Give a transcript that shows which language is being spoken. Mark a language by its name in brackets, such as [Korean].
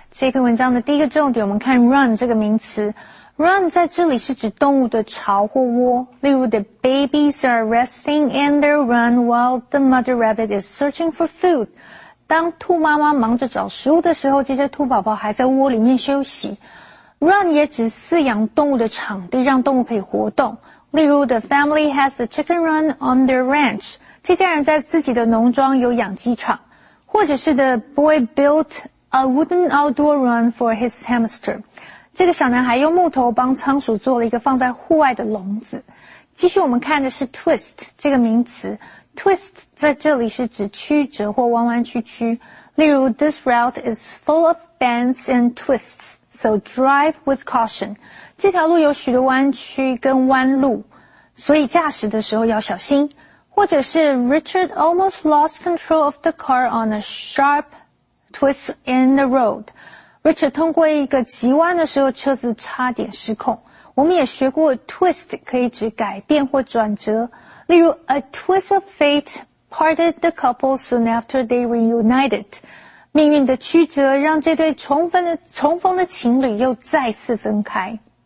[Chinese] 这篇文章的第一个重点，我们看 run 这个名词。 [English] Run [Chinese] 在这里是指动物的巢或窝，例如 [English] The babies are resting in their run while the mother rabbit is searching for food. [Chinese] 当兔妈妈忙着找食物的时候，这些兔宝宝还在窝里面休息。 Run 也指饲养动物的场地，让动物可以活动。例如 [English] The family has a chicken run on their ranch. [Chinese] 这家人在自己的农庄有养鸡场。或者是 [English] The boy built a wooden outdoor run for his hamster. [Chinese] 这个小男孩用木头帮仓鼠做了一个放在户外的笼子。继续我们看的是 twist 这个名词。twist 在这里是指曲折或弯弯曲曲。例如 [English] this route is full of bends and twists, so drive with caution. [Chinese] 这条路有许多弯曲跟弯路，所以驾驶的时候要小心。或者是 [English] Richard almost lost control of the car on a sharp twist in the road. [Chinese] Richard 通过一个急弯的时候车子差点失控。我们也学过 twist 可以指改变或转折。例如 [English] a twist of fate parted the couple soon after they reunited. [Chinese] 命运的曲折让这对重逢的情侣又再次分开。